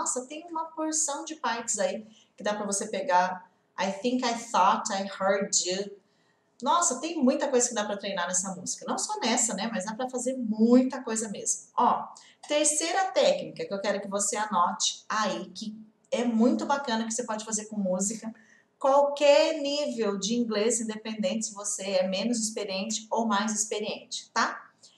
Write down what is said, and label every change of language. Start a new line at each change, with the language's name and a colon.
Portuguese: Nossa, tem uma porção de partes aí que dá para você pegar.
English: I think I thought I heard you.
Portuguese: Nossa, tem muita coisa que dá para treinar nessa música. Não só nessa, né? Mas dá para fazer muita coisa mesmo. Ó, terceira técnica que eu quero que você anote aí, que é muito bacana, que você pode fazer com música. Qualquer nível de inglês, independente se você é menos experiente ou mais experiente, tá?